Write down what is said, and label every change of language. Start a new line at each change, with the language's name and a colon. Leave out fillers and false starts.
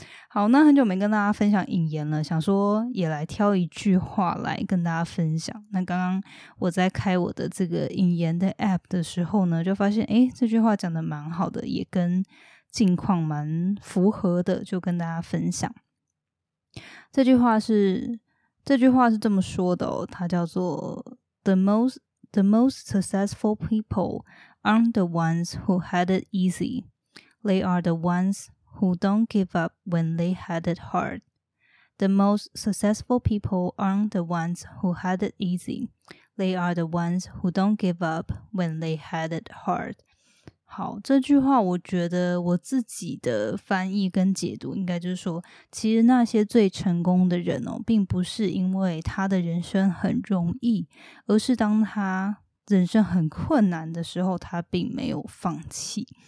Chinese: 好，那很久没跟大家分享引言了，想说也来挑一句话来跟大家分享。那刚刚我在开我的这个引言的 app 的时候呢，就发现诶，这句话讲得蛮好的，也跟近况蛮符合的，就跟大家分享。这句话是这么说的哦，它叫做
English: The most successful people aren't the ones who had it easy. They are the ones who don't give up when they had it hard. The most successful people aren't the ones who had it easy. They are the ones who don't give up when they had it hard.
Chinese: 好，这句话我觉得我自己的翻译跟解读应该就是说，其实那些最成功的人哦，并不是因为他的人生很容易，而是当他人生很困难的时候，他并没有放弃。